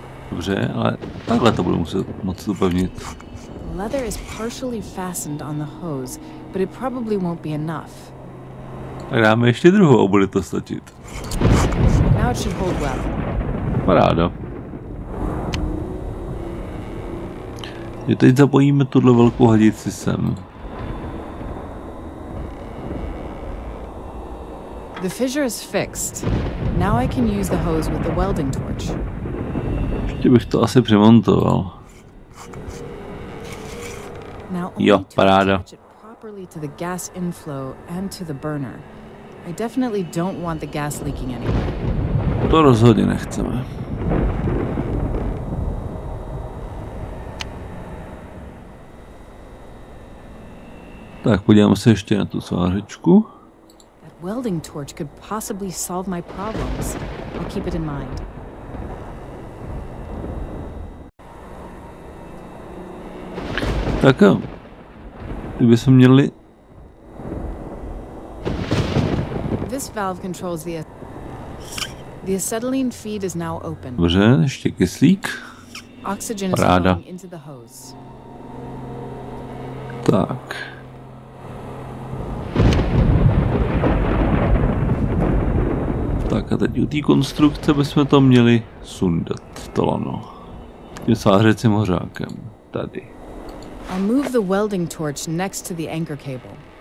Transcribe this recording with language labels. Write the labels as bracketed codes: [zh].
[cs] Dobře, ale takhle to budu muset moc upevnit. [en] Leather is partially fastened on the hose, but it probably won't be enough. [cs] Tak dáme ještě druhou a bude to stačit. [en] Now it should hold well. [cs] Paráda. Je, teď zapojíme tuhle velkou hadici sem. [en] The fissure is fixed. Now I can use the hose with the welding torch. [cs] Ještě bych to asi přemontoval. Jo, paráda. [en] To the gas inflow and to the burner. I definitely don't want the gas leaking anywhere. [cs] To rozhodně nechceme. Tak, podíváme se ještě na tu svářečku. [en] That welding torch could possibly solve my problems. I'll keep it in mind. [cs] Tak jo. Kdybychom měli... [en] This valve controls the acetylene feed is now open. [cs] Dobře, ještě kyslík. [en] Oxygen is flowing into the hose. [cs] Tak. Tak a teď u té konstrukce bychom to měli sundat, to lano. Tím svářecím hořákem. Tady. [en] I'll move the welding torch next to the anchor cable.